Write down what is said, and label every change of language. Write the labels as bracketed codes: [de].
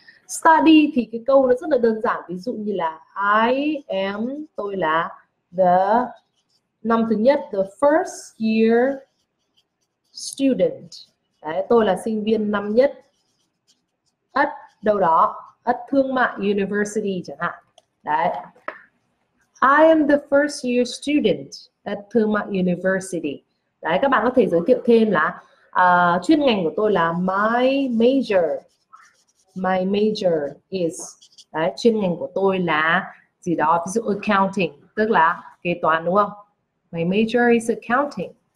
[vi] Study thì cái câu nó rất là đơn giản. Ví dụ như là [en] I am, [vi] tôi là the năm thứ nhất, [en] the first year student. [vi] Đấy, tôi là sinh viên năm nhất at đâu đó, [en] at thương mại university [vi] chẳng hạn. Đấy. [en] I am the first year student at thương mại university. [vi] Đấy, các bạn có thể giới thiệu thêm là chuyên ngành của tôi là [en] my major is. [vi] Đấy, chuyên ngành của tôi là gì đó, ví dụ accounting, tức là kế toán đúng không? [en] My major is accounting.